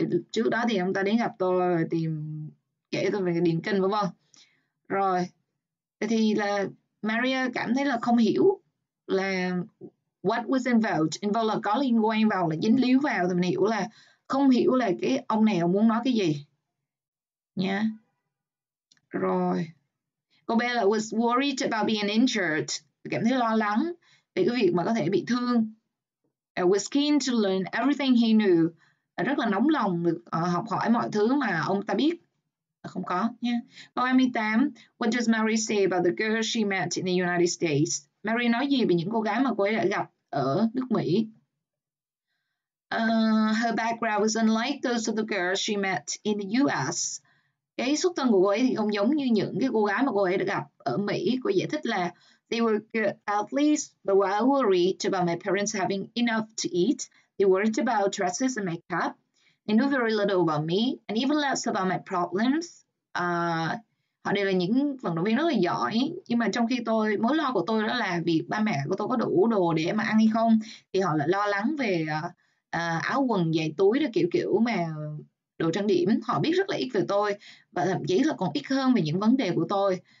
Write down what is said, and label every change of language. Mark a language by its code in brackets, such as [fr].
[vi] Trước đó thì ông ta đến gặp tôi thì kể tôi về điền kinh đúng không? Rồi. Thì là Maria cảm thấy là không hiểu là [en] what was involved. [vi] Involved là có liên quan vào, là dính líu vào, thì mình hiểu là không hiểu là cái ông nào muốn nói cái gì. Nha. Yeah. Rồi. Cô bé là [en] was worried about being injured. [vi] Cảm thấy lo lắng về cái việc mà có thể bị thương. [en] I was keen to learn everything he knew. [vi] Rất là nóng lòng được học hỏi mọi thứ mà ông ta biết. Không có nha. Câu 28. [en] What does Mary say about the girl she met in the United States? [vi] Mary nói gì về những cô gái mà cô ấy đã gặp ở nước Mỹ? [en] Her background was unlike those of the girls she met in the US. [vi] Cái xuất thân của cô ấy thì không giống như những cái cô gái mà cô ấy đã gặp ở Mỹ. Cô giải thích là [en] they were good athletes, but were worried about my parents having enough to eat. They worried about dresses and makeup. They knew very little about me and even less about my problems. [vi] Họ đều là những vận động viên rất là giỏi, nhưng mà trong khi tôi, mối lo của tôi đó là việc ba mẹ của tôi có đủ đồ để mà ăn hay không, thì họ lại lo lắng về áo quần, giày túi, đó kiểu kiểu mà đồ trang điểm. Họ biết rất là ít về tôi và thậm chí là còn ít hơn về những vấn đề của tôi.